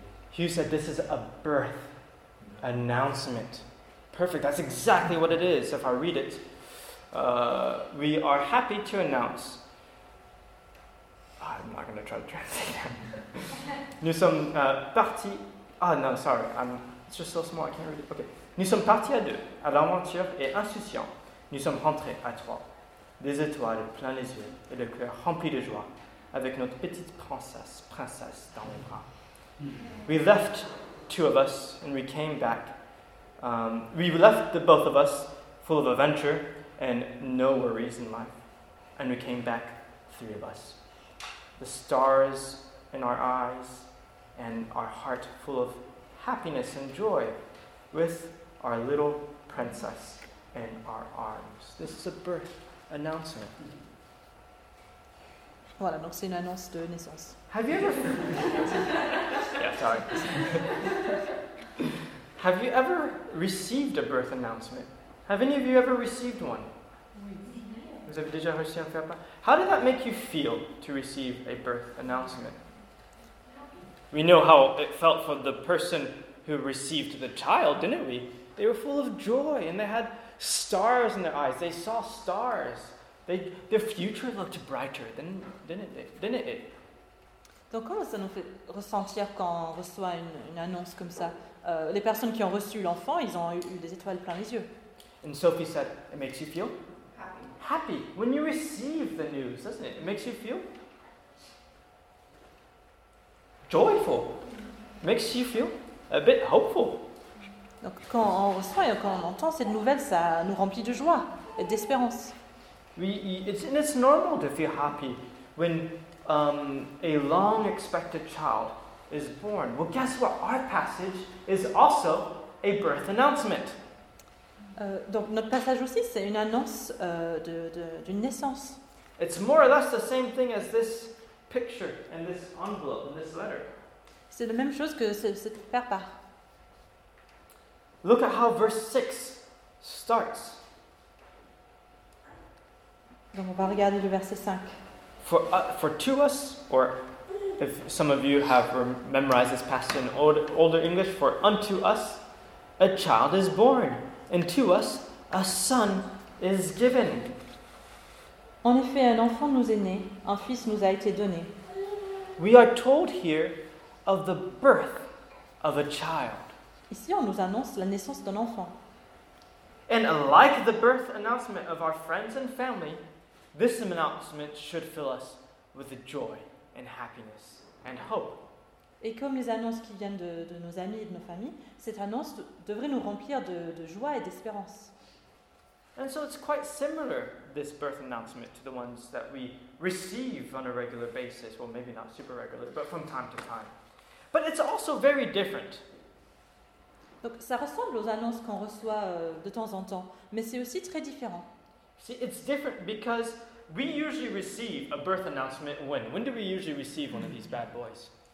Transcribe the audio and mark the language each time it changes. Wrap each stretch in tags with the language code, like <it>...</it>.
<en>Hugh said this is a birth announcement. Perfect. That's exactly what it is. If I read it, we are happy to announce. I'm not going to try to translate that.</en> <fr>Nous sommes partis. Ah, non,</fr> <en>sorry. It's just so small, I can't read it. Okay.</en> <fr>Nous sommes partis à deux, à l'aventure et insouciant. Nous sommes rentrés à trois, des étoiles plein les yeux et le cœur rempli de joie, avec notre petite princesse dans les bras.</fr> <en>We left two of us and we came back. We left the both of us full of adventure and no worries in life. And we came back, three of us. The stars in our eyes and our heart full of happiness and joy with our little princess. princess in our arms. This is a birth announcement.</en> <fr>Voilà, donc c'est une annonce de naissance.</fr> <en>Have you ever... yeah, sorry. Have you ever received a birth announcement? Have any of you ever received one?</en> <fr>Oui. Vous avez déjà reçu un faire part?</fr> <en>How did that make you feel to receive a birth announcement? We know how it felt for the person who received the child, didn't we? They were full of joy and they had stars in their eyes. They saw stars. Their future looked brighter, didn't it?</en> <fr>Donc comment ça nous fait ressentir quand on reçoit une annonce comme ça? Les personnes qui ont reçu l'enfant, ils ont eu des étoiles plein les yeux.</fr> <en>And Sophie said, it makes you feel happy. When you receive the news, doesn't it? It makes you feel joyful. It makes you feel a bit hopeful.</en> <fr>Donc quand on reçoit et quand on entend cette nouvelle, ça nous remplit de joie et d'espérance.</fr> <en>It's normal to feel happy when a long-expected child is born. Well, guess what? Our passage is also a birth announcement.</en> <fr>Donc notre passage aussi, c'est une annonce d'une naissance.</fr> <en>It's more or less the same thing as this picture and this envelope and this letter.</en> <fr>C'est la même chose que cette faire part.</fr> <en>Look at how verse 6 starts.</en> <fr>Donc on va regarder le verset 5.</fr> <en>For to us, or if some of you have memorized this passage in older English, for unto us a child is born, and to us a son is given.</en> <fr>En effet, un enfant nous est né, un fils nous a été donné.</fr> <en>We are told here of the birth of a child.</en> <fr>Ici, on nous annonce la naissance d'un enfant.</fr> <en>And like the birth announcement of our friends and family, this announcement should fill us with joy and happiness and hope.</en> <fr>Et comme les annonces qui viennent de nos amis et de nos familles, cette annonce devrait nous remplir de joie et d'espérance.</fr> <en>And so it's quite similar, this birth announcement, to the ones that we receive on a regular basis. Well, maybe not super regular, but from time to time. But it's also very different.</en> <fr>Donc ça ressemble aux annonces qu'on reçoit de temps en temps, mais c'est aussi très différent.</fr> <en>See, it's different because we usually receive a birth announcement when? When do we usually receive one of these bad boys?</en>